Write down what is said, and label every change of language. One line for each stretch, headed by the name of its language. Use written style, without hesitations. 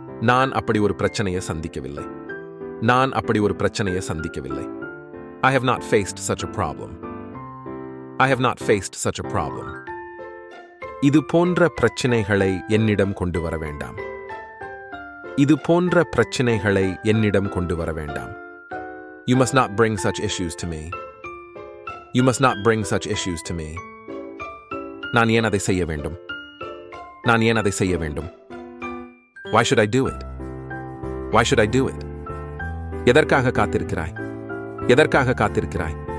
Tamil: நான் அப்படி ஒரு பிரச்சனையை சந்திக்கவில்லை. நான் அப்படி ஒரு பிரச்சனையை சந்திக்கவில்லை.
English: I have not faced such a problem. I have not faced such a problem.
Tamil: இது போன்ற பிரச்சனைகளை என்னிடம் கொண்டு வர வேண்டாம். இது போன்ற பிரச்சனைகளை என்னிடம் கொண்டு வர வேண்டாம்.
English: You must not bring such issues to me. You must not bring such issues to me.
Tamil: நான் ஏன் அதை செய்ய வேண்டும்? நான் ஏன் அதை செய்ய வேண்டும்?
English: Why should I do it?
Tamil: Why should I do it? எதற்காக காத்திருக்கிறாய்? எதற்காக காத்திருக்கிறாய்?